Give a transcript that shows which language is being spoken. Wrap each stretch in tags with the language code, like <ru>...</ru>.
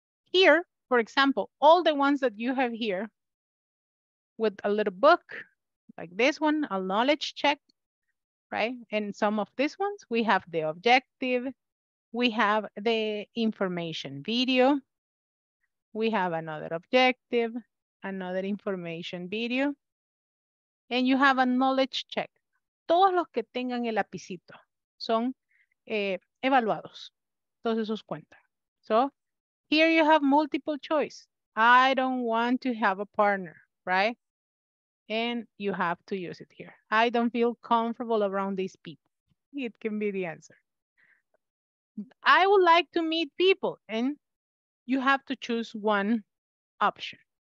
<en>Here, for example, all the ones that you have here with a little book, like this one, a knowledge check, right? And some of these ones, we have the objective, we have the information video, we have another objective, another information video, and you have a knowledge check.</en> <es>Todos los que tengan el lapicito son evaluados. Todos esos cuentan.</es> <en>So, here you have multiple choice. I don't want to have a partner, right? And you have to use it here. I don't feel comfortable around these people. It can be the answer. I would like to meet people, and you have to choose one option.</en>